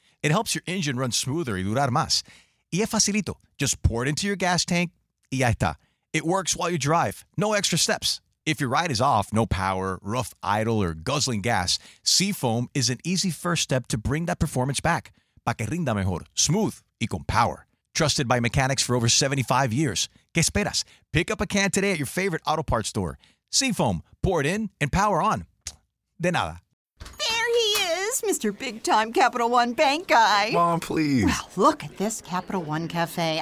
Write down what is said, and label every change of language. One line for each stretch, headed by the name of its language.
English: It helps your engine run smoother
Spanish: y durar más. Y es facilito.
English: Just pour it into your gas tank
Spanish: y ya está.
English: It works while you drive. No extra steps. If your ride is off, no power, rough idle, or guzzling gas, Seafoam is an easy first step to bring that performance back.
Spanish: Pa que rinda mejor, smooth, y con power.
English: Trusted by mechanics for over 75 years.
Spanish: ¿Qué esperas?
English: Pick up a can today at your favorite auto parts store. Seafoam, pour it in and power on.
Spanish: De nada.
English: There he is, Mr. Big Time Capital One Bank Guy. Mom, please. Well, look at this Capital One Cafe.